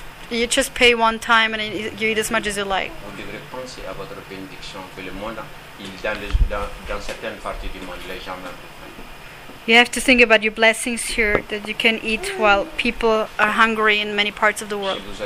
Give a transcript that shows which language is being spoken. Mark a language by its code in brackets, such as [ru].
[en] You just pay one time and you eat as much as you like. [fr] Vous devrez penser à votre bénédiction que le monde, dans certaines parties du monde, les gens meurent de faim. [en] You have to think about your blessings here that you can eat while people are hungry in many parts of the world.